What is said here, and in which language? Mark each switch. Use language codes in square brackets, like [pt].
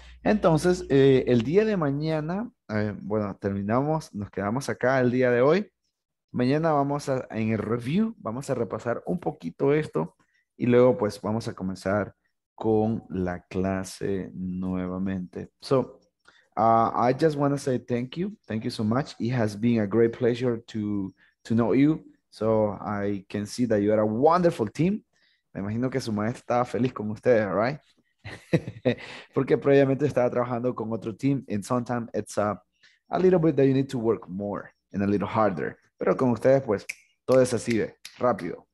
[es] Entonces, el día de mañana, bueno, terminamos, nos quedamos acá el día de hoy. Mañana vamos a, en el review, vamos a repasar un poquito esto y luego pues vamos a comenzar con la clase nuevamente. [en] So, I just want to say thank you so much. It has been a great pleasure to know you. So, I can see that you are a wonderful team. [es] Me imagino que su maestro estaba feliz con ustedes, right? Porque previamente estaba trabajando con otro team. [en] And sometimes it's a little bit that you need to work more and a little harder. [es] Pero con ustedes, pues, todo es así, rápido.